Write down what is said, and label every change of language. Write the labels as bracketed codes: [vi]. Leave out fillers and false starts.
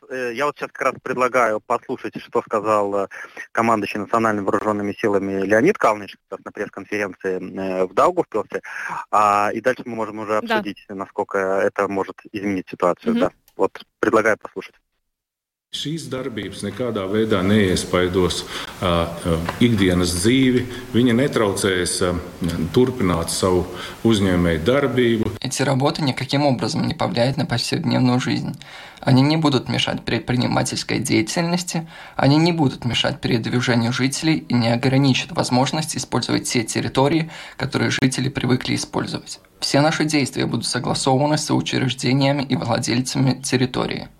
[ru] Я вот сейчас как раз предлагаю послушать, что сказал командующий национальными вооруженными силами Леонид Калныч на пресс-конференции в Даугавпилсе. И дальше мы можем уже обсудить, да, насколько это может изменить ситуацию. Mm-hmm. Да. Вот предлагаю послушать. [lv] Šīs darbības nekādā veidā neiespaidos ikdienas dzīvi. Viņa netraucēs turpināt savu uzņēmēju darbību. [ru] Эти работы никаким образом не повлияют на повседневную жизнь. Они не будут мешать предпринимательской деятельности, они не будут мешать передвижению жителей и не ограничат возможность использовать те территории, которые жители привыкли использовать. Все наши действия будут согласованы с учреждениями и владельцами территории.